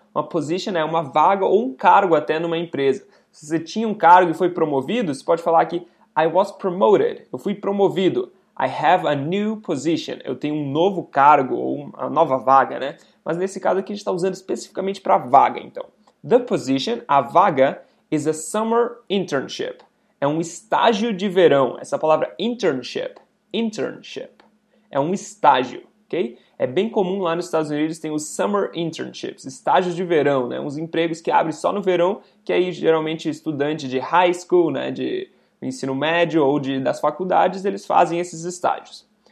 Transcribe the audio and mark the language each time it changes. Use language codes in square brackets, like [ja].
[pt] Uma position é uma vaga ou um cargo até numa empresa. Se você tinha um cargo e foi promovido, você pode falar aqui, [en] I was promoted, [pt] eu fui promovido. [en] I have a new position. [pt] Eu tenho um novo cargo ou uma nova vaga, né? Mas nesse caso aqui a gente está usando especificamente para vaga, então. [en] The position, [pt] a vaga, [en] is a summer internship. [pt] É um estágio de verão. Essa palavra internship, internship, é um estágio, ok? É bem comum lá nos Estados Unidos, tem os summer internships, estágios de verão, né? Uns empregos que abrem só no verão, que aí geralmente estudante de high school, né? De ensino médio ou das faculdades, eles fazem esses estágios.